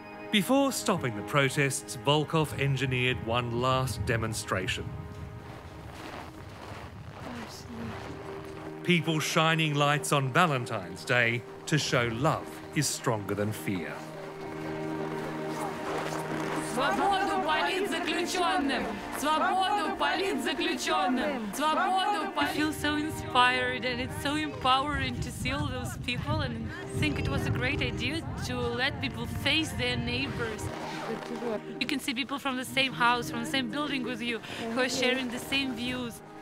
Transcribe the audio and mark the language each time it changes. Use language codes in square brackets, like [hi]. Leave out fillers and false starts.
[en] Before stopping the protests, Volkov engineered one last demonstration. People shining lights on Valentine's Day to show love is stronger than fear. [ru] Свободу политзаключенным! Свободу политзаключенным! Свободу полит... [en] I feel so inspired, and it's so empowering to see all those people, and think it was a great idea to let people face their neighbors. You can see people from the same house, from the same building with you, who are sharing the same views.